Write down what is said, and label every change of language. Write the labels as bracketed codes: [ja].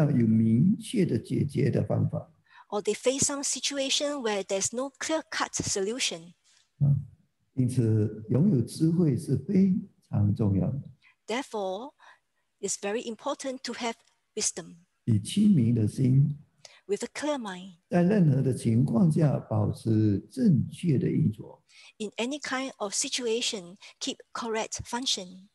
[zh] 或者在某种情况上有明确的解决的方法， [en] Or they face some situation where there's no clear-cut solution. [zh] 因此，拥有智慧是非常重要的。 [en] Therefore, it's very important to have wisdom. [zh] 以清明的心， [en] With a clear mind. [zh] 在任何的情况下保持正确的运作。 [en] In any kind of situation, keep correct function.